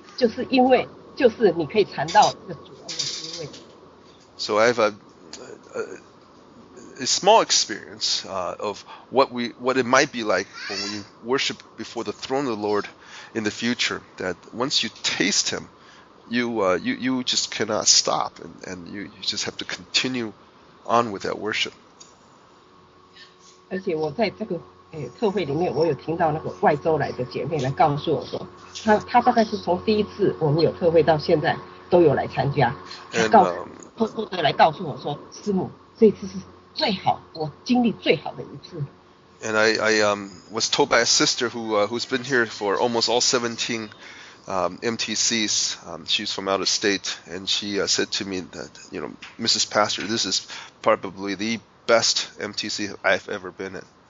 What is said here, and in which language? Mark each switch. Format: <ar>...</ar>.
<zh>就是因为就是你可以尝到这个主恩的滋味。</zh> <en>So I have a small experience of what it might be like when we worship before the throne of the Lord in the future. That once you taste Him, you just cannot stop, and you just have to continue. On with that worship.</en> <zh>而且我在这个特会里面，我有听到那个外州来的姐妹来告诉我说，她大概是从第一次我们有特会到现在都有来参加，偷偷的来告诉我说，师母，这次是最好我经历最好的一次。</zh> <en>And I was told by a sister who's been here for almost all 17. MTCs, she's from out of state, and she said to me that, you know, Mrs. Pastor, this is probably the best MTC I've ever been in.</en>